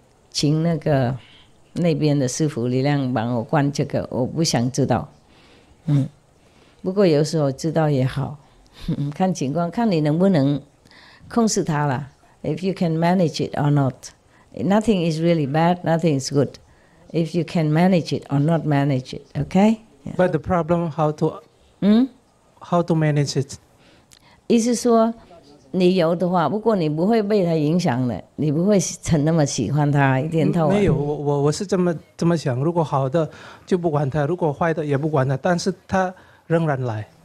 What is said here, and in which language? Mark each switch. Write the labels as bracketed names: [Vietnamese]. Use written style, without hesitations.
[Chinese] 请那个那边的师父力量帮我关这个, 我不想知道, 不过有时候知道也好, 看情况, 看你能不能, 控制它啦, [English] if you can manage it or not. Nothing is really bad, nothing is good. If you can manage it or not manage it, okay? Yeah. But the problem, how to manage it? [Chinese] 意思说, 你有的话, 不过你不会被它影响的, 你不会成那么喜欢它, 一天到晚, 没有,我是这么想, 如果好的, 就不管它, 如果坏的, 也不管它, 但是它仍然来。